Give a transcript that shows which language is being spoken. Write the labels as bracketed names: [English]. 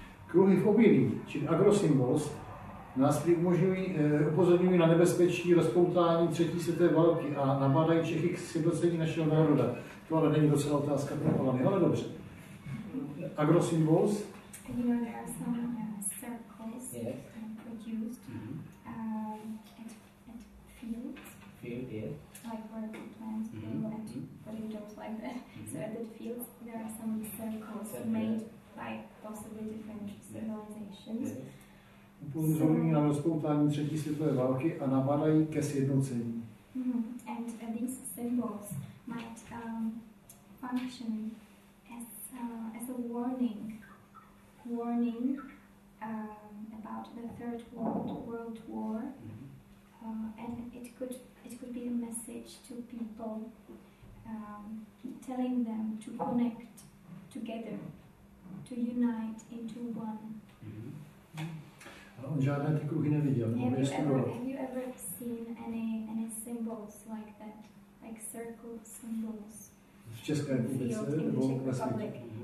[Czech] Kruhy v obilí, čili agrosymbols, nás tím upozorňují na nebezpečí rozpoutání třetí světové války a nabádají Čechy k sjednocení našeho národa. To ale není docela otázka pro Palami, ale dobře. [English] Agrosymbols? You know, there are some circles produced at fields. Field, yeah. Like where the plants grow at, but you don't like that. So at that field, there are some circles made by possibly different civilizations. [Czech] Upozorňují na rozpoutání třetí světové války a nabádají ke sjednocení. [English] And these symbols might function as a warning about the third world war, and it could be a message to people, telling them to connect together, to unite into one. Mm-hmm. [Czech] On žádné ty kruhy neviděl, nebo je studoval. [English] Have you ever seen any symbols like that, like circle symbols? [Czech] V České republice nebo ve světě?